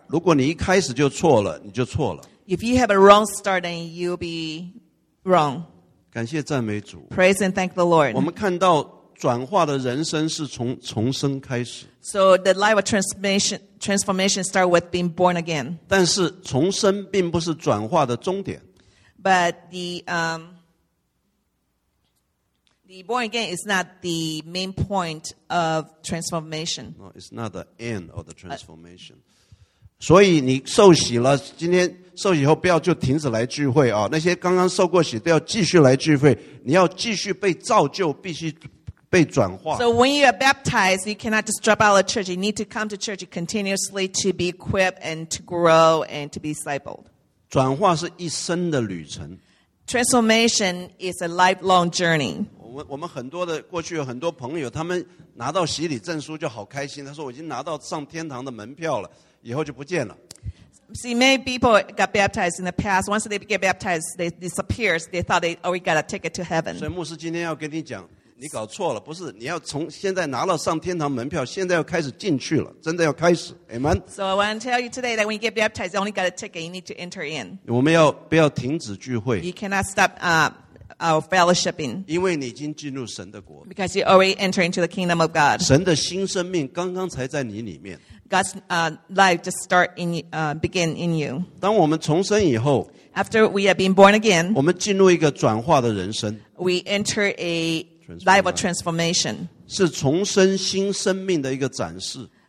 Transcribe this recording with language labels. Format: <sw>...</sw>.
<zh>如果你一开始就错了，你就错了。</zh> <en>If you have a wrong start, then you'll be wrong.</en> <zh>感谢赞美主。</zh> <en>Praise and thank the Lord.</en> <zh>我们看到转化的人生是从重生开始。</zh> <en>So the life of transformation starts with being born again.</en> <zh>但是重生并不是转化的终点。</zh> <en>But the born again is not the main point of transformation. No, it's not the end of the transformation.</en> <zh>所以你受洗了，今天受洗以后不要就停止来聚会啊！那些刚刚受过洗都要继续来聚会。你要继续被造就，必须被转化。</zh> <en>So when you are baptized, you cannot just drop out of church. You need to come to church continuously to be equipped and to grow and to be discipled.</en> <zh>转化是一生的旅程。</zh> <en>Transformation is a lifelong journey.</en> <zh>我们很多的过去有很多朋友，他们拿到洗礼证书就好开心。他说我已经拿到上天堂的门票了，以后就不见了。</zh> <en>See, many people got baptized in the past. Once they get baptized, they disappear. They thought they already got a ticket to heaven.</en> <zh>所以牧师今天要跟你讲，你搞错了，不是，你要从现在拿了上天堂门票，现在要开始进去了，真的要开始， Amen.</zh> <en>So I want to tell you today that when you get baptized, you only got a ticket. You need to enter in.</en> <zh>我们要不要停止聚会？</zh> <en>You cannot stop our fellowshipping.</en> <zh>因为你已经进入神的国。</zh> <en>Because you already enter into the kingdom of God.</en> <zh>神的新生命刚刚才在你里面。</zh> <en>God's life just start in begin in you.</en> <zh>当我们重生以后，</zh> <en>after we have been born again,</en> <zh>我们进入一个转化的人生，</zh> <en>we enter a life of transformation.</en> <zh>是重生新生命的一个展示。</zh>